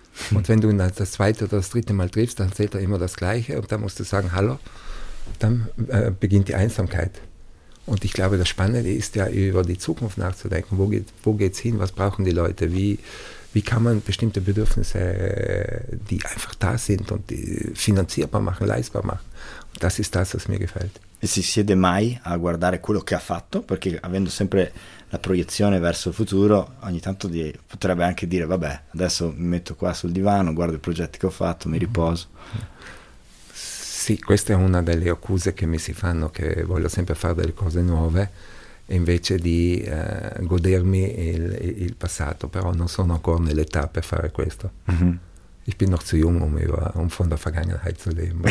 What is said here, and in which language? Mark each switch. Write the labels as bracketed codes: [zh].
[de] Und wenn du ihn das zweite oder das dritte Mal triffst, dann erzählt er immer das Gleiche und dann musst du sagen, hallo, dann beginnt die Einsamkeit. Und ich glaube, das Spannende ist ja, über die Zukunft nachzudenken. Wo geht's hin? Was brauchen die Leute? Wie kann man bestimmte Bedürfnisse, die einfach da sind und die finanzierbar machen, leistbar machen? Und das ist das, was mir gefällt. [it] E si siede mai a guardare quello che ha fatto? Perché avendo sempre la proiezione verso il futuro, ogni tanto potrebbe anche dire, vabbè, adesso mi metto qua sul divano, guardo i progetti che ho fatto, mi riposo. Sì, questa è una delle accuse che mi si fanno, che voglio sempre fare delle cose nuove invece di godermi il passato, però non sono ancora nell'età per fare questo. [de] Ich bin noch zu jung, um von der Vergangenheit zu leben.